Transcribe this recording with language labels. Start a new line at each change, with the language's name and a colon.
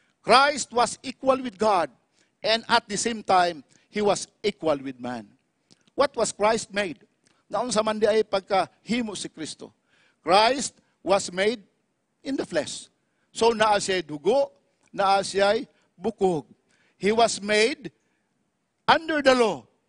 English: Christ was equal with God, and at the same time, he was equal with man. What was Christ made?
Cebuano: Naon sa mandi ay pagkahimo si Kristo.
English: Christ was made in the flesh.
Cebuano: So naa siya'y dugo, naa siya'y bukog.
English: He was made under the law.